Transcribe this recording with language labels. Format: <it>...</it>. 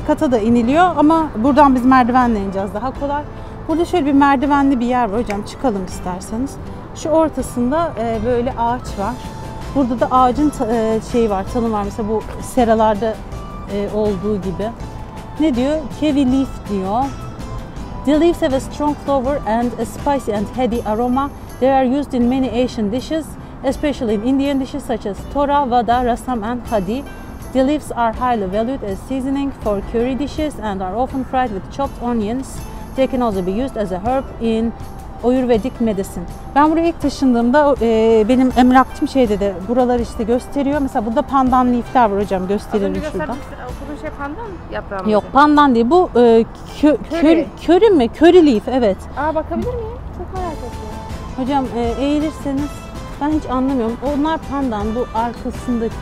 <tr>kata da iniliyor ama buradan biz merdivenle ineceğiz, daha kolay. Burada şöyle bir merdivenli bir yer var hocam. Çıkalım isterseniz. Şu ortasında böyle ağaç var. Burada da ağacın şeyi var, tanım var. Mesela bu seralarda olduğu gibi. Ne diyor?</tr> <en>Kiwi leaf</en> <tr>diyor.</tr> <en>The leaves have a strong flavor and a spicy and heady aroma. They are used in many Asian dishes, especially in Indian dishes such as tora, vada, rasam and hadi. The leaves are highly valued as seasoning for curry dishes and are often fried with chopped onions. They can also be used as a herb in Ayurvedic medicine.</en> <tr>Ben buraya ilk taşındığımda benim emlakçım şey dedi, buralar işte gösteriyor. Mesela burada pandan leafler var hocam, Az gösterelim önce şuradan. göstermiştin, şey pandan yaprağı mıydı? Yok, pandan değil. Bu Köri. köri mi? Köri leaf, evet. Aa, bakabilir miyim? Çok merak ettim. Hocam eğilirseniz, ben hiç anlamıyorum. Onlar pandan, bu arkasındaki</tr>